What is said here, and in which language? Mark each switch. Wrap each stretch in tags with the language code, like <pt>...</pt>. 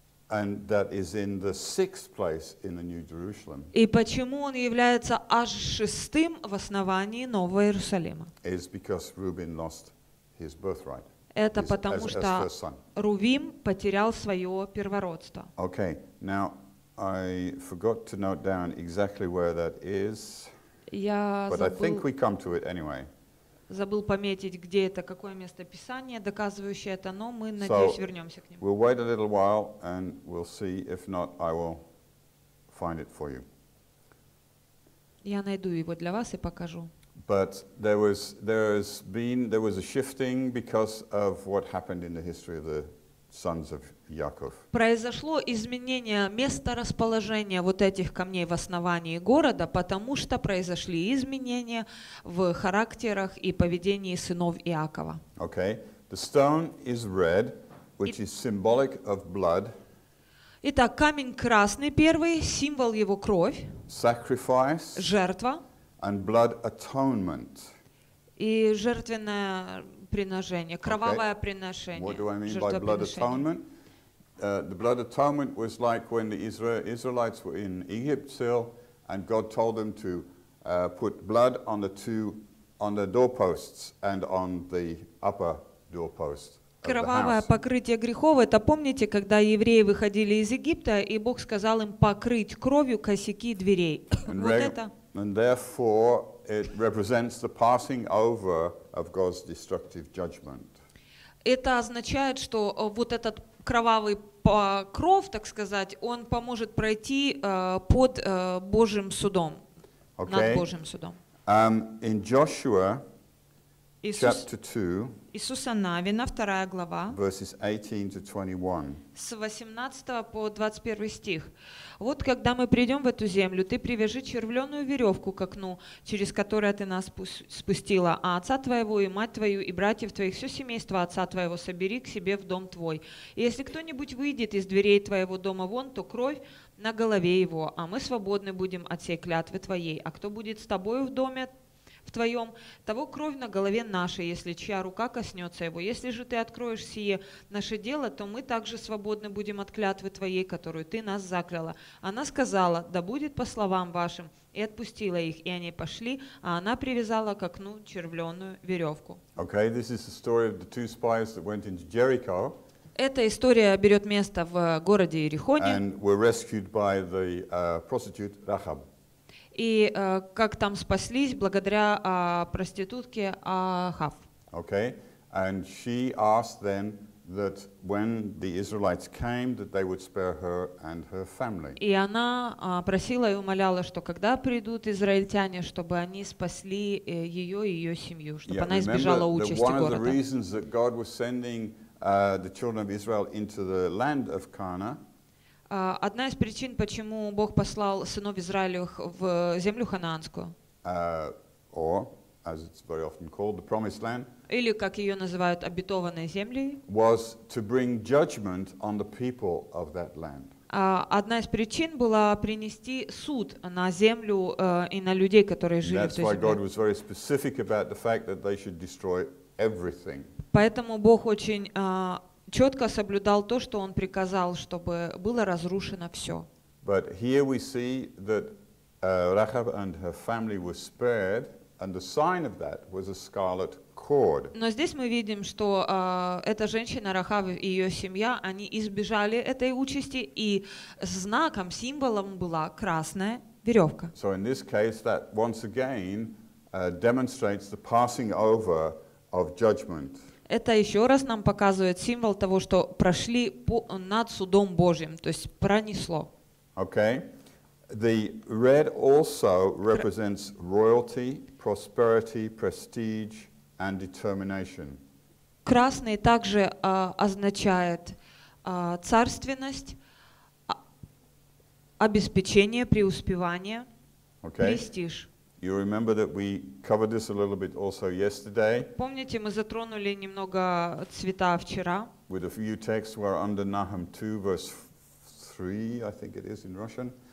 <en>And that is in the sixth place in the New Jerusalem.</en> <ru>И почему он является аж шестым в основании Нового Иерусалима?</ru> <en>Is because Reuben lost his birthright.</en> <ru>Это потому что Рувим потерял свое первородство.</ru> <en>Okay. Now I forgot to note down exactly where that is. But I think we come to it anyway.</en> <ru>Забыл пометить, где это, какое место Писания, доказывающее это, но мы, надеюсь, вернемся к нему.</ru> <en>We'll wait a little while and we'll see. If not, I will find it for you.</en> <ru>Я найду его для вас и покажу.</ru> <en>But there was a shifting because of what happened in the history of the sons of Yaakov.</en> <ru>Произошло изменение места расположения вот этих камней в основании города, потому что произошли изменения в характерах и поведении сынов Иакова.</ru> <en>Okay. The stone is red, which is symbolic of blood.</en> <ru>Итак, камень красный первый, символ его кровь.</ru> <en>Sacrifice.</en> <ru>Жертва.</ru> <en>And blood atonement.</en> <ru>И жертвенное приношение, кровавое okay. приношение.</ru> <en>What do I mean by blood atonement? The blood atonement was like when the Israelites were in Egypt still, and God told them to put blood on the two on the doorposts and on the upper doorpost.</en> <ru>Кровавое покрытие грехов. Это помните, когда евреи выходили из Египта, и Бог сказал им покрыть кровью косяки дверей.</ru> <en>And therefore, it represents the passing over of God's destructive judgment.</en> <ru>Это означает, что вот этот кровавый покров, так сказать, он поможет пройти под Божьим судом,</ru> <en>okay.</en> <ru>над Божьим судом.</ru> <en>In Joshua, chapter 2,</en> <ru>Иисуса Навина, 2 глава,</ru> <en>verses 18 to 21.</en> <ru>С 18 по 21 стих. «Вот когда мы придем в эту землю, ты привяжи червленую веревку к окну, через которое ты нас спустила, а отца твоего и мать твою и братьев твоих, все семейство отца твоего собери к себе в дом твой. И если кто-нибудь выйдет из дверей твоего дома вон, то кровь на голове его, а мы свободны будем от всей клятвы твоей. А кто будет с тобою в доме в твоем, того кровь на голове нашей, если чья рука коснется его. Если же ты откроешь сие наше дело, то мы также свободны будем от клятвы твоей, которую ты нас закляла. Она сказала, да будет по словам вашим, и отпустила их, и они пошли, а она привязала к окну червленую веревку».</ru> <en>Okay, this is the story of the two spies that went into Jericho.</en> <ru>Эта история берет место в городе Иерихоне.</ru> <en>And were rescued by the prostitute Rahab.</en> <ru>И как там спаслись благодаря проститутке Ахав.</ru> <en>Okay. And she asked them that when the Israelites came that they would spare her and her family.</en> <ru>И она просила и умоляла, что когда придут израильтяне, чтобы они спасли ее и ее семью, чтобы она избежала участи города.</ru> <en>One of the reasons that God was sending the children of Israel into the land of Canaan.</en> <ru>Одна из причин, почему Бог послал сынов Израиля в землю Ханаанскую.</ru> <en>Or, as it's very often called, the promised land.</en> <ru>Или, как ее называют, обетованной землей.</ru> <en>Was to bring judgment on the people of that land.</en> <ru>Одна из причин была принести суд на землю и на людей, которые жили в этой земле.</ru> <en>That's why God was very specific about the fact that they should destroy everything.</en> <ru>Поэтому Бог очень четко соблюдал то, что он приказал, чтобы было разрушено все.</ru> <en>But here we see that Rahab and her family were spared, and the sign of that was a scarlet cord.</en> <ru>Но здесь мы видим, что эта женщина, Рахав и ее семья, они избежали этой участи, и знаком, символом была красная веревка.</ru> <en>So in this case, that once again demonstrates the passing over of judgment.</en> <ru>Это еще раз нам показывает символ того, что прошли над судом Божьим, то есть пронесло.</ru> <en>Okay. The red also represents royalty, prosperity, prestige, and determination.</en> <ru>Красный также означает царственность, обеспечение, преуспевание,</ru> <en>okay.</en> <ru>Престиж.</ru> <en>You remember that we covered this a little bit also yesterday.</en> <ru>Помните, мы затронули немного цвета вчера.</ru> <en>With a few texts were under Nahum 2 verse 3, I think it is in Russian.</en>